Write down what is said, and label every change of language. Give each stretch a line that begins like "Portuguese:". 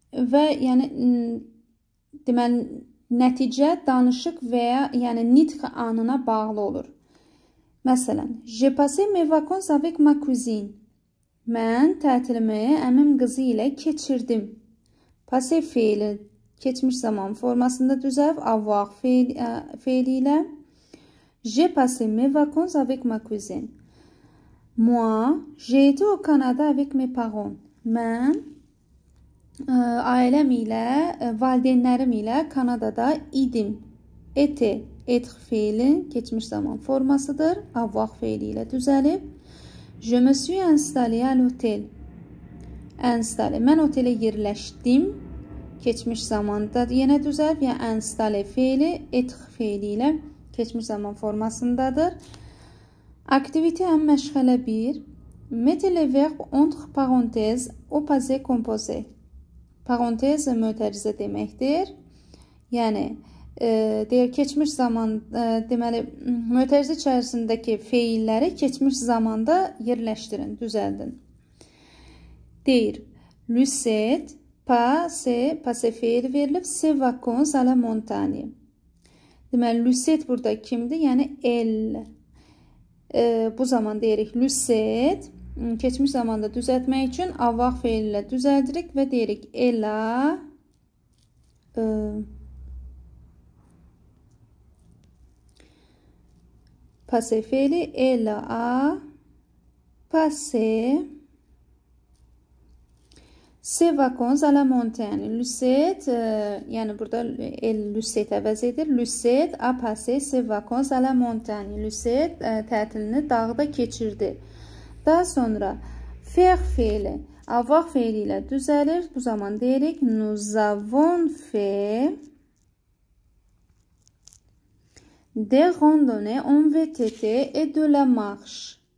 Azerbaijani: Və yəni deməli nəticə danışıq və ya yəni nitq anına bağlı olur. Məsələn,
French: je passe mes vacances avec ma cousine.
Azerbaijani: Mən tətilimi əmim qızı ilə keçirdim. Passé fiili keçmiş zaman formasında düzəlib avoir fiili ilə.
French: J'ai passé mes vacances avec ma cousine. Moi, j'ai été au Canada avec mes parents.
Azerbaijani: Mən ailəm ilə, valideynlərim ilə Kanada'da idim. Été, être fiilin keçmiş zaman formasıdır. Avoir fiili ilə düzəlib.
French: Je me suis installé à l'hôtel.
Azerbaijani: Installé. Mən otelə yerləşdim. Keçmiş zamanda yenə düzəlib. Yəni installé fiili, être fiili ilə keçmiş zaman formasındadır. Aktivite en meşgale 1.
French: Mettez le verbe entre parenthèses au passé composé.
Azerbaijani: Parantez mötərizi deməkdir. Yəni, deyir, keçmiş zaman, deməli, mötərizi içərisindəki feilləri keçmiş zamanda yerləşdirin, düzəldin. Deyir, Lucet, passé, passé feil verilib,
French: se vacances à la montagne.
Azerbaijani: Deməli, Lucet burada kimdir? Yəni, elle. Bu zaman deyirik, Lucet. Keçmiş zamanda düzəltmək üçün avoir fiili ilə düzəldirik və deyirik,
French: elle a passé fiili, elle a passé ses vacances à la montagne.
Azerbaijani: Lucet, yəni burada elle Lucet əvəz edir.
French: Lucet a passé ses vacances à la montagne.
Azerbaijani: Lucet tətilini dağda keçirdi. Daha sonra faire fiili, avoir fiili ilə düzəlir. Bu zaman deyirik,
French: nous avons fait des randonnées en VTT et de la marche.